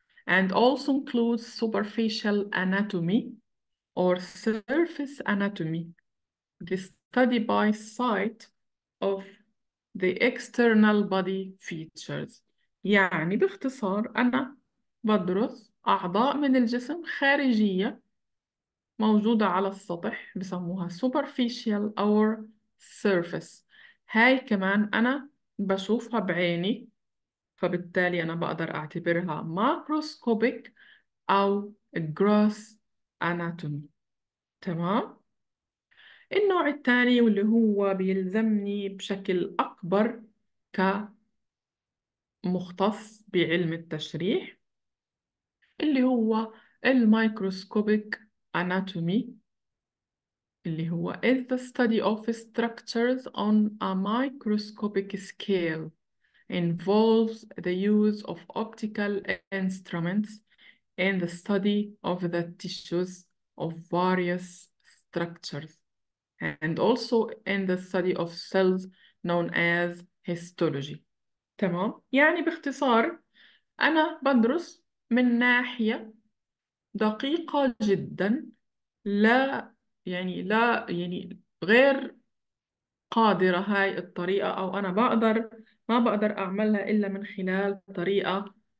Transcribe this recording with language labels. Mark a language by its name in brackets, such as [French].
[English] And also includes superficial anatomy or surface anatomy. The study by sight of the external body features. [Arabic] يعني باختصار أنا بدرس أعضاء من الجسم خارجية موجودة على السطح بسموها superficial أو surface. هاي كمان أنا بشوفها بعيني، فبالتالي أنا بقدر أعتبرها macroscopic أو gross anatomy. تمام؟ النوع الثاني واللي هو بيلزمني بشكل أكبر كمختص بعلم التشريح اللي هو الميكروسكوبيك اناتومي اللي هو [English] is the study of structures on a microscopic scale involves the use of optical instruments in the study of the tissues of various structures and also in the study of cells known as histology. [Arabic] تمام؟ يعني باختصار أنا بدرس من ناحية دقيقة جدا، لا يعني غير قادرة هاي الطريقة، أو أنا ما بقدر أعملها إلا من خلال طريقة